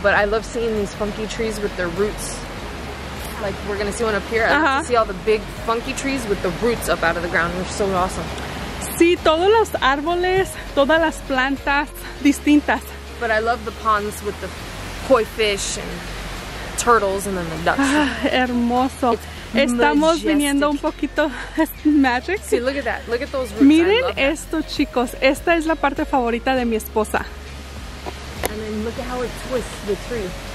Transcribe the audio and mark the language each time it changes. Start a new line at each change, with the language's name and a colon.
English: But I love seeing these funky trees with their roots. Like we're gonna see one up here. Uh-huh. I love to see all the big funky trees with the roots up out of the ground. They're so awesome.
Spanish: Sí, todos los árboles, todas las plantas distintas.
English: But I love the ponds with the koi fish and turtles and then the ducks.
Spanish: Hermoso.
English: It's
Spanish: Estamos
English: majestic.
Spanish: Viniendo un poquito magic.
English: Sí, look at that. Look at those roots.
Spanish: Miren esto, chicos. Esta es la parte favorita de mi esposa.
English: And then look at how it twists the tree.